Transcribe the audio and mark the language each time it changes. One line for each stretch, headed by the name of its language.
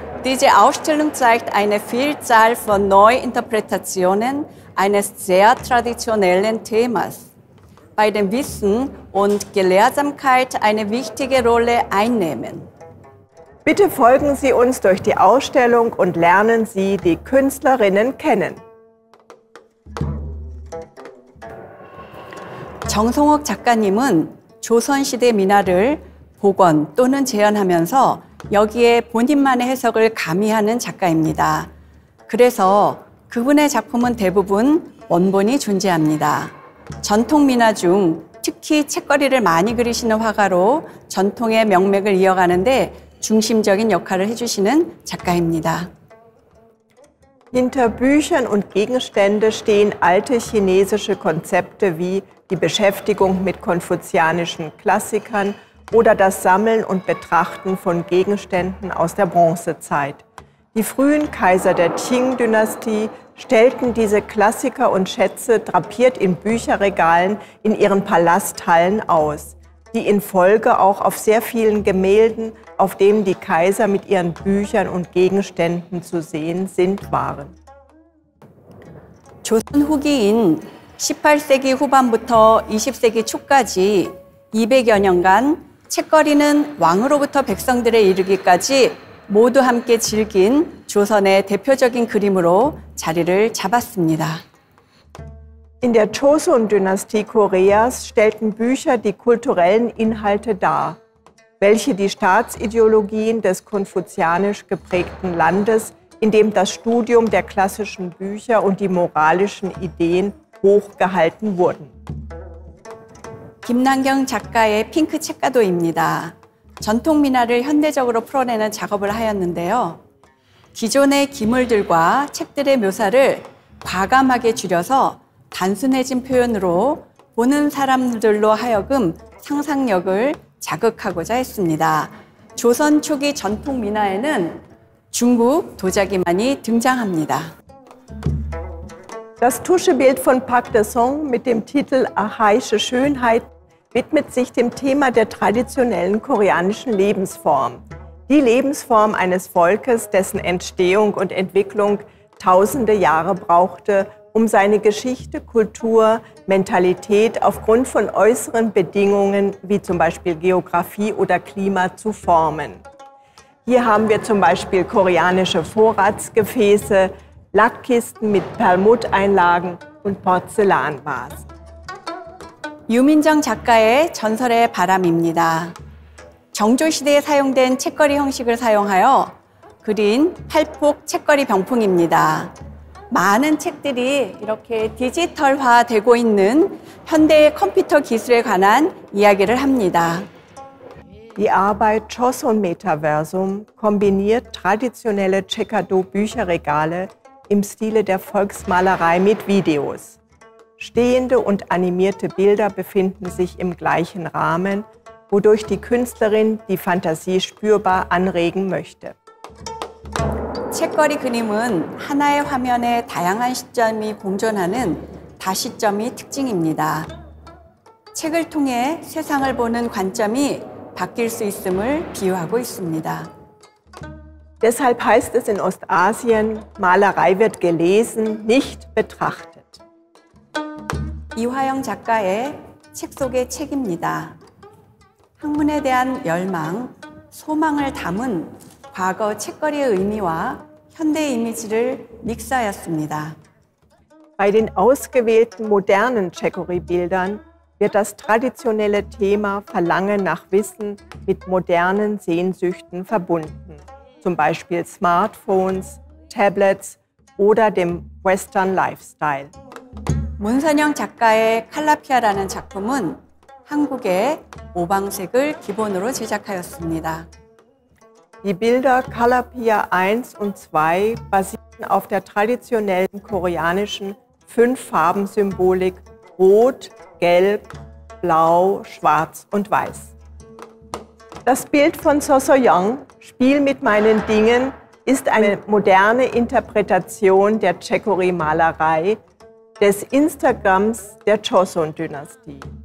German: Diese Ausstellung zeigt eine Vielzahl von Neuinterpretationen eines sehr traditionellen Themas, bei dem Wissen und Gelehrsamkeit eine wichtige Rolle einnehmen. Bitte folgen Sie uns durch die Ausstellung und lernen Sie die Künstlerinnen kennen.
Korean: 정성옥 작가님은 조선시대 민화를 복원 또는 재현하면서 여기에 본인만의 해석을 가미하는 작가입니다. 그래서 그분의 작품은 대부분 원본이 존재합니다. 전통 민화 중 특히 책거리를 많이 그리시는 화가로 전통의 명맥을 이어가는데 중심적인 역할을 해주시는 작가입니다.
German: Hinter Büchern und Gegenstände stehen alte chinesische Konzepte wie die Beschäftigung mit konfuzianischen Klassikern oder das Sammeln und Betrachten von Gegenständen aus der Bronzezeit. Die frühen Kaiser der Qing-Dynastie stellten diese Klassiker und Schätze drapiert in Bücherregalen in ihren Palasthallen aus, die in Folge auch auf sehr vielen Gemälden, auf denen die Kaiser mit ihren Büchern und Gegenständen zu sehen sind, waren.
Korean: 조선 후기인 18세기 후반부터 20세기 초까지 200여 년간 책거리는 왕으로부터 백성들에 이르기까지 모두 함께 즐긴 조선의 대표적인 그림으로 자리를 잡았습니다.
German: In der Joseon-Dynastie Koreas stellten Bücher die kulturellen Inhalte dar, welche die Staatsideologien des konfuzianisch geprägten Landes, in dem das Studium der klassischen Bücher und die moralischen Ideen hochgehalten wurden.
Korean: 김남경 작가의 핑크 책가도입니다. 전통 민화를 현대적으로 풀어내는 작업을 하였는데요. 기존의 기물들과 책들의 묘사를 과감하게 줄여서 단순해진 표현으로 보는 사람들로 하여금 상상력을 자극하고자 했습니다. 조선 초기 전통 민화에는 중국 도자기만이 등장합니다.
German: Das Tuschebild von Park Dae-sung mit dem Titel Archaische Schönheit widmet sich dem Thema der traditionellen koreanischen Lebensform. Die Lebensform eines Volkes, dessen Entstehung und Entwicklung tausende Jahre brauchte, um seine Geschichte, Kultur, Mentalität aufgrund von äußeren Bedingungen, wie zum Beispiel Geografie oder Klima, zu formen. Hier haben wir zum Beispiel koreanische Vorratsgefäße, Lackkisten mit Perlmutteinlagen und Porzellanvasen.
Korean: Yu Min-jung 작가의 전설의 바람입니다. 정조 시대에 사용된 책거리 형식을 사용하여 그린 팔폭 책거리 병풍입니다. 많은 책들이 이렇게 디지털화되고 있는 현대의 컴퓨터 기술에 관한 이야기를 합니다.
German: Die Arbeit Joseon Metaversum kombiniert traditionelle Checkado Bücherregale im Stile der Volksmalerei mit Videos. Stehende und animierte Bilder befinden sich im gleichen Rahmen, wodurch die Künstlerin die Fantasie spürbar anregen möchte.
Korean: 책거리 그림은 하나의 화면에 다양한 시점이 공존하는 다시점이 특징입니다. 책을 통해 세상을 보는 관점이 바뀔 수 있음을 비유하고 있습니다.
German: Deshalb heißt es in Ostasien, Malerei wird gelesen, nicht betrachtet.
Korean: 이화영 작가의 책 속의 책입니다. 학문에 대한 열망, 소망을 담은 과거 책거리의 의미와 현대의 이미지를 믹스하였습니다.
German: Bei den ausgewählten modernen Checkori-Bildern wird das traditionelle Thema Verlangen nach Wissen mit modernen Sehnsüchten verbunden, zum Beispiel Smartphones, Tablets oder dem Western Lifestyle.
Korean: 문선영 작가의 칼라피아라는 작품은 한국의 오방색을 기본으로 제작하였습니다.
German: Die Bilder Kalapia 1 und 2 basieren auf der traditionellen koreanischen Fünf-Farben-Symbolik Rot, Gelb, Blau, Schwarz und Weiß. Das Bild von Sosoyeong, Spiel mit meinen Dingen, ist eine moderne Interpretation der Checkori-Malerei des Instagrams der Joseon-Dynastie.